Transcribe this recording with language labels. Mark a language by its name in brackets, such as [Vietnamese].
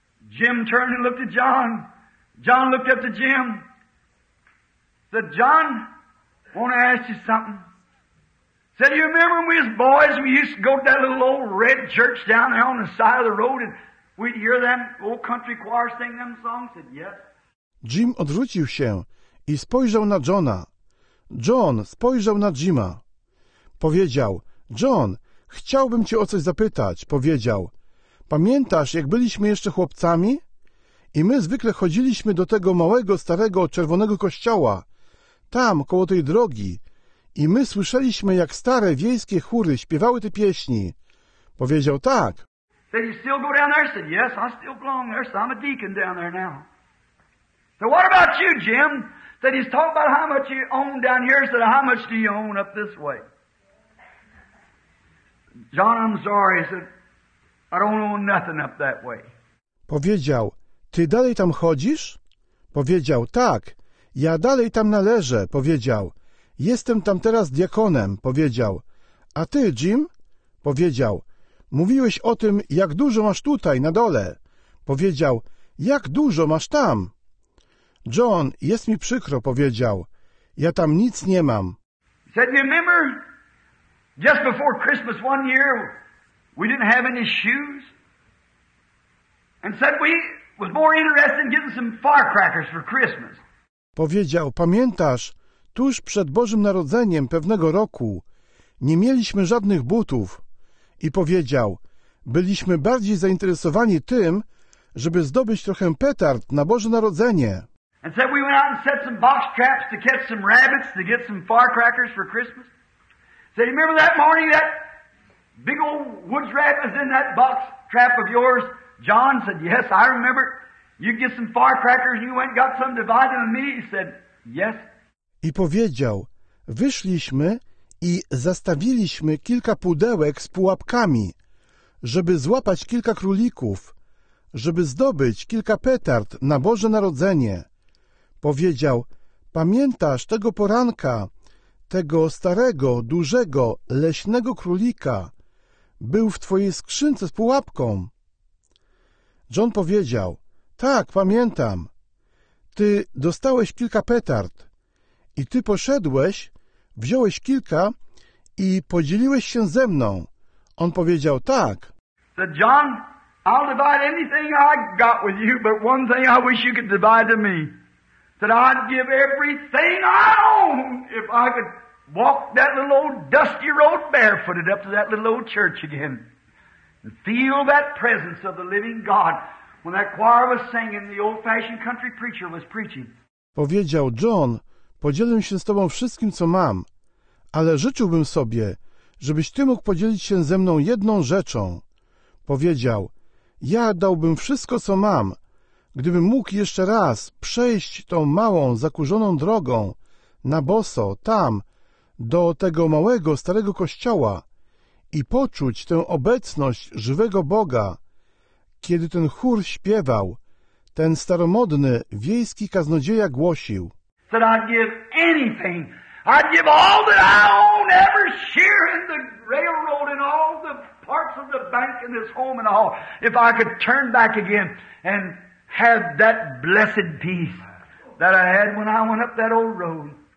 [English] Jim turned and looked at John. John looked up to Jim. Said, John, I want to ask you something. Said, you remember when we was boys, we used to go to that little old red church down there on the side of the road and we'd hear them old country choir sing them songs? Said, yes. [Polish] Jim odwrócił się i spojrzał na Johna. John spojrzał na Jima. Powiedział, John, chciałbym cię o coś zapytać. Powiedział, pamiętasz, jak byliśmy jeszcze chłopcami? I my zwykle chodziliśmy do tego małego, starego, czerwonego kościoła, tam, koło tej drogi. I my słyszeliśmy, jak stare, wiejskie chóry śpiewały te pieśni. Powiedział, tak. [English] Said, you still go down there? Said, yes, I still belong there, so I'm a deacon down there now. So what about you, Jim? Said, he's talking about how much you own down here. Said, how much do you own up this way? John, I'm sorry. Said, I don't own nothing up that way. [Polish] Powiedział, ty dalej tam chodzisz? Powiedział, tak, ja dalej tam należę, powiedział. Jestem tam teraz diakonem, powiedział. A ty, Jim? Powiedział, mówiłeś o tym, jak dużo masz tutaj, na dole. Powiedział, jak dużo masz tam? John, jest mi przykro, powiedział. Ja tam nic nie mam. [English] Said, you remember, just before Christmas one year, we didn't have any shoes. And said, we was more interested in getting some firecrackers for Christmas. [Polish] Powiedział, pamiętasz, tuż przed Bożym Narodzeniem pewnego roku nie mieliśmy żadnych butów. I powiedział, byliśmy bardziej zainteresowani tym, żeby zdobyć trochę petard na Boże Narodzenie. [English] And said we went out and set some box traps to catch some rabbits to get some firecrackers for Christmas. Said, you remember that morning that big old woods rat was in that box trap of yours? John said, yes, I remember. You get some firecrackers, you went and got some, divide them with me. He said, yes. [Polish] I powiedział, wyszliśmy i zastawiliśmy kilka pudełek z pułapkami, żeby złapać kilka królików, żeby zdobyć kilka petard na Boże Narodzenie. Powiedział, pamiętasz tego poranka, tego starego, dużego, leśnego królika, był w twojej skrzynce z pułapką? John powiedział, tak, pamiętam. Ty dostałeś kilka petard i ty poszedłeś, wziąłeś kilka i podzieliłeś się ze mną. On powiedział, tak. [English] Said, John, I'll divide anything I got with you, but one thing I wish you could divide to me. Said, I'd give everything I own if I could walk that little old dusty road barefooted up to that little old church again. Feel that presence of the living God when that choir was singing, the old-fashioned country preacher was preaching. [Polish] Powiedział, John, podzielę się z tobą wszystkim, co mam, ale życzyłbym sobie, żebyś ty mógł podzielić się ze mną jedną rzeczą. Powiedział, ja dałbym wszystko, co mam, gdybym mógł jeszcze raz przejść tą małą, zakurzoną drogą na boso tam, do tego małego, starego kościoła, i poczuć tę obecność żywego Boga, kiedy ten chór śpiewał, ten staromodny, wiejski kaznodzieja głosił. [English] Said, I'd give anything. I'd give all that I own, every shear in the railroad and all the parts of the bank and this home and all. If I could turn back again and have that blessed peace that I had when I went up that old road.